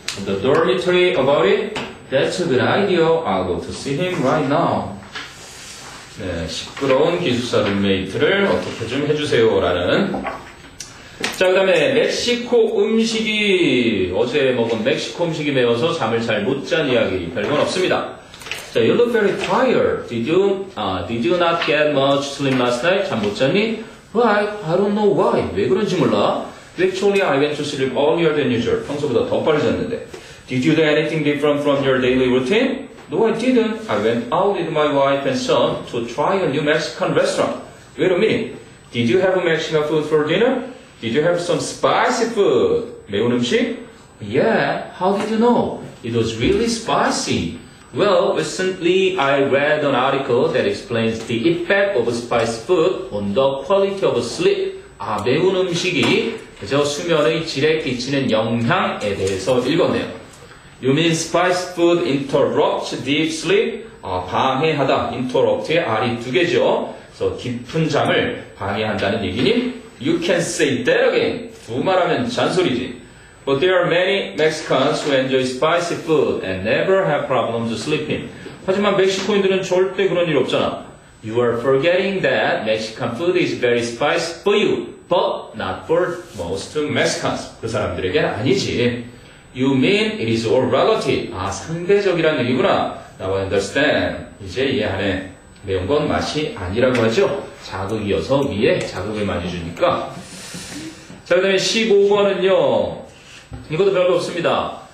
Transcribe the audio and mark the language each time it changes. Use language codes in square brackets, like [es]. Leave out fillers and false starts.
[en] The dormitory about it? That's a good idea. I'll go to see him right now. [ko] 네, 시끄러운 기숙사 룸메이트를 어떻게 좀 해주세요. 라는. 자, 그 다음에 멕시코 음식이 어제 먹은 멕시코 음식이 매워서 잠을 잘 못 잔 이야기 별건 없습니다. 자, [en] you look very tired. Did you not get much sleep last night? [ko] 잠 못 잤니? [en] Why? I don't know why. [ko] 왜 그런지 몰라. [en] Actually, I went to sleep earlier than usual. [ko] 평소보다 더 빨리 잤는데. [en] Did you do anything different from your daily routine? No, I didn't. I went out with my wife and son to try a new Mexican restaurant. Wait a minute. Did you have a Mexican food for dinner? Did you have some spicy food? [ko] 매운 음식? [en] Yeah, how did you know? It was really spicy. Well, recently I read an article that explains the effect of spicy food on the quality of sleep. [ko] 아, 매운 음식이 그저 수면의 질에 끼치는 영향에 대해서 읽었네요. [en] You mean spicy food interrupts deep sleep? [ko] 아, 방해하다. Interrupt의 R이 두 개죠. 그래서 깊은 잠을 방해한다는 얘기니? [en] You can say that again. [ko] 두 말하면 잔소리지. [en] But there are many Mexicans who enjoy spicy food and never have problems sleeping. [ko] 하지만 멕시코인들은 절대 그런 일 없잖아. [en] You are forgetting that Mexican food is very spicy for you, but not for most Mexicans. [ko] 그 사람들에게 아니지. [en] You mean it is all relative. [ko] 아, 상대적이란 얘기구나. [en] Now I understand. [ko] 이제 이해하네. 매운 건 맛이 아니라고 하죠. 자극이어서 위에 자극을 많이 주니까. 자, 그 다음에 15번은요. 이것도 별거 없습니다.